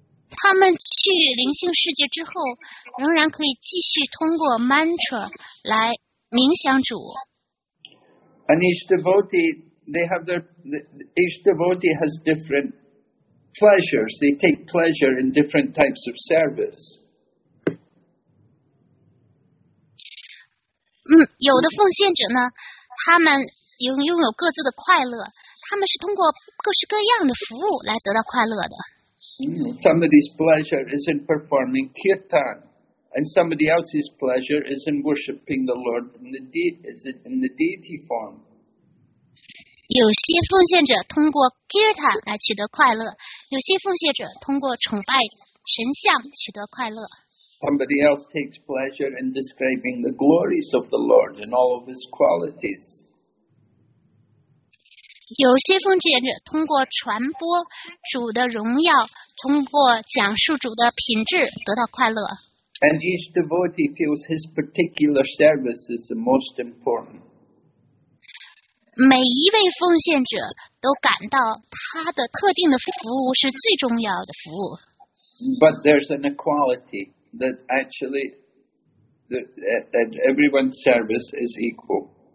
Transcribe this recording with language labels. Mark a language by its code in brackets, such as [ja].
[zh] 他们去灵性世界之后，仍然可以继续通过 mantra 来冥想主。 [en] And each devotee. Each devotee has different pleasures. They take pleasure in different types of service. [zh] 有的奉献者呢，他们拥有各自的快乐，他们是通过各式各样的服务来得到快乐的。 [en] Somebody's pleasure is in performing kirtan, and somebody else's pleasure is in worshipping the Lord in the, deity form. [zh] 有些奉献者通过 kirtan 来取得快乐，有些奉献者通过崇拜神像取得快乐。 [en] Somebody else takes pleasure in describing the glories of the Lord and all of His qualities. [zh] 有些奉献者通过传播主的荣耀，通过讲述主的品质得到快乐。 [en] And each devotee feels his particular service is the most important. [zh] 每一位奉献者都感到他的特定的服务是最重要的服务。 [en] But there's an equality. That actually, that everyone's service is equal.